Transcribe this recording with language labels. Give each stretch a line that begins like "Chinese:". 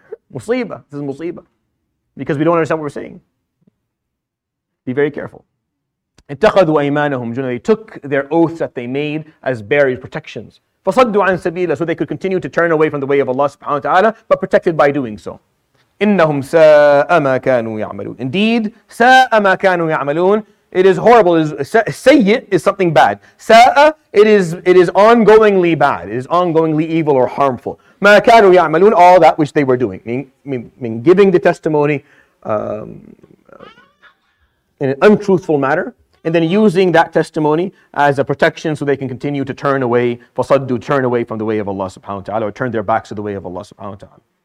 English: Musiba. This is musiba. Because we don't understand what we're saying. Be very careful.
Arabic: اتخذوا أيمانهم,
English: they took their oaths that they made as barriers, protections.
Arabic: فَصَدُّوا عَن سَبِيلًا,
English: so they could continue to turn away from the way of Allah subhanahu wa ta'ala, but protected by doing so.
Arabic: إِنَّهُمْ سَاءَ مَا كَانُوا يَعْمَلُونَ.
English: Indeed,
Arabic: سَاءَ مَا كَانُوا يَعْمَلُونَ.
English: It is horrible. سَيِّئ is something bad. سَاءَ, it is ongoingly bad. It is ongoingly evil or harmful.
Arabic: مَا كَانُوا يَعْمَلُونَ,
English: all that which they were doing. I mean giving the testimony in an untruthful manner, and then using that testimony as a protection so they can continue to turn away, فَصَدُّ, turn away from the way of Allah subhanahu wa ta'ala, or turn their backs to the way of Allah subhanahu wa ta'ala.